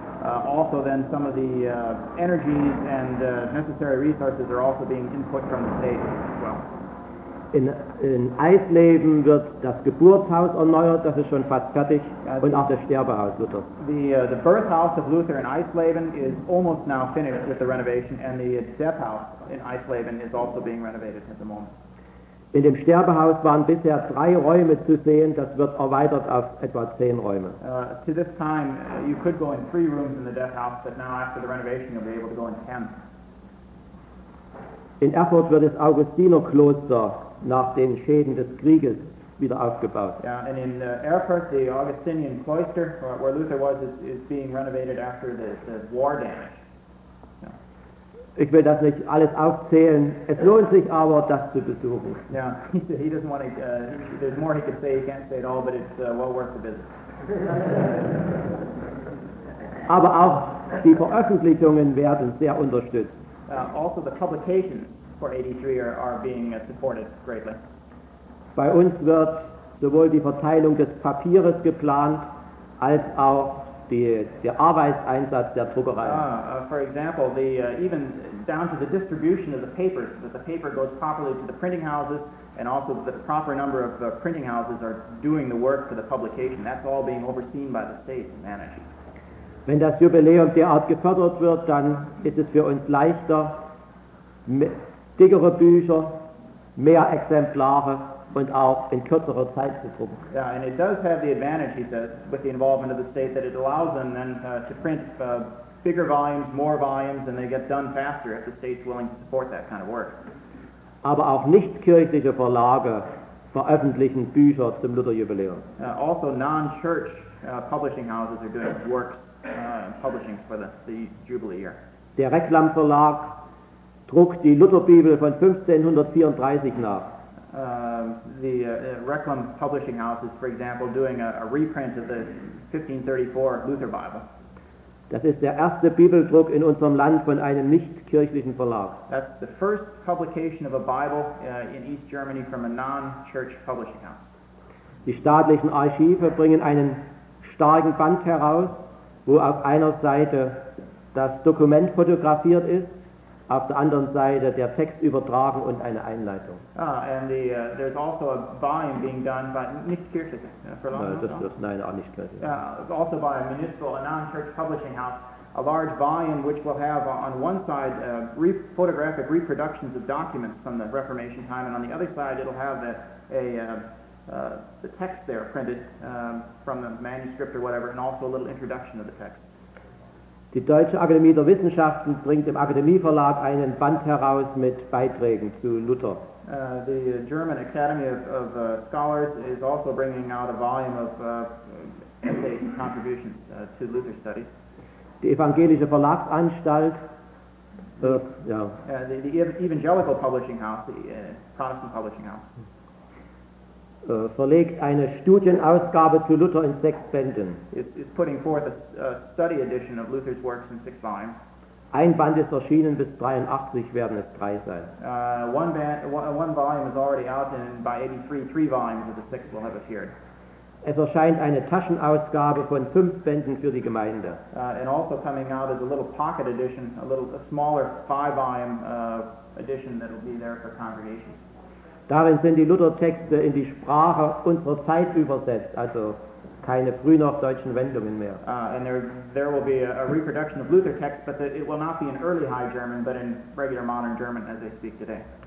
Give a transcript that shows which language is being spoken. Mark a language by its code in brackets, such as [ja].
[en] Also then some of the energies and necessary resources are also being input from the state as well. [de] In Eisleben wird das Geburtshaus erneuert, das ist schon fast fertig, und auch das Sterbehaus Luthers. [en] The birth house of Luther in Eisleben is almost now finished with the renovation, and the death house in Eisleben is also being renovated at the moment. [de] In dem Sterbehaus waren bisher 3 Räume zu sehen, das wird erweitert auf etwa 10 Räume. [en] To this time, you could go in 3 rooms in the death house, but now after the renovation, you'll be able to go in 10. [de] In Erfurt wird das Augustinerkloster nach den Schäden des Krieges wieder aufgebaut. [en] Yeah, and in Erfurt, the Augustinian cloister, where Luther was, is being renovated after the war damage. Yeah. [de] Ich will das nicht alles aufzählen. Es lohnt sich aber, das zu besuchen. [en] Yeah, he doesn't want to. There's more he could say. He can't say it all, but it's well worth the visit. [de] Aber auch die Veröffentlichungen werden sehr unterstützt. [en] Also the publications for 83 are being supported greatly. [de] Bei uns wird sowohl die Verteilung des Papiers geplant als auch der Arbeitseinsatz der Druckerei. [en] For example, the even down to the distribution of the papers, that the paper goes properly to the printing houses, and also the proper number of printing houses are doing the work for the publication. That's all being overseen by the state and managed. [de] Wenn das Jubiläum derart gefördert wird, dann ist es für uns leichter, dickere Bücher, mehr Exemplare und auch in kürzerer Zeit zu drucken. [en] Yeah, and it does have the advantage, he says, with the involvement of the state, that it allows them then to print bigger volumes, more volumes, and they get done faster if the state's willing to support that kind of work. [de] Aber auch nichtkirchliche Verlage veröffentlichen Bücher zum Lutherjubiläum. [en] Also non-church publishing houses are doing work. Publishing for the Jubilee year. [de] Der Reklam Verlag druckt die Lutherbibel von 1534 nach. [en] The Reklam Publishing House is, for example, doing a reprint of the 1534 Luther Bible. [de] Das ist der erste Bibeldruck in unserem Land von einem nichtkirchlichen Verlag. [en] That's the first publication of a Bible in East Germany from a non-church publishing house. [de] Die staatlichen Archive bringen einen starken Band heraus, wo auf einer Seite das Dokument fotografiert ist, auf der anderen Seite der Text übertragen und eine Einleitung. [en] There's also a volume being done by nichtkirchlich. [de] Nein, auch nichtkirchlich. [en] Yeah, also by a municipal, a non-church publishing house, a large volume which will have on one side photographic reproductions of documents from the Reformation time, and on the other side it'll have the text there printed from the manuscript or whatever, and also a little introduction of the text. [de] Die Deutsche Akademie der Wissenschaften bringt im Akademieverlag einen Band heraus mit Beiträgen zu Luther. [en] The German Academy of Scholars is also bringing out a volume of essays and contributions to Luther studies. [de] Die Evangelische Verlagsanstalt. [en] The Evangelical Publishing House, the Protestant Publishing House. [de] Verlegt eine Studienausgabe zu Luther in 6 Bänden. [en] It's putting forth a study edition of Luther's works in 6 volumes. [de] Ein Band ist erschienen, bis 83 werden es 3 sein. [en] One volume is already out, and by 83, 3 volumes of the 6 will have appeared. [de] Es erscheint eine Taschenausgabe von 5 Bänden für die Gemeinde. [en] And also coming out is a little pocket edition, a smaller 5 volume edition that will be there for congregations. [de] Darin sind die Luthertexte in die Sprache unserer Zeit übersetzt, also keine frühnorddeutschen Wendungen mehr. [en] And there will be a reproduction of Luther text, but it will not be in early High German, but in regular modern German as they speak today.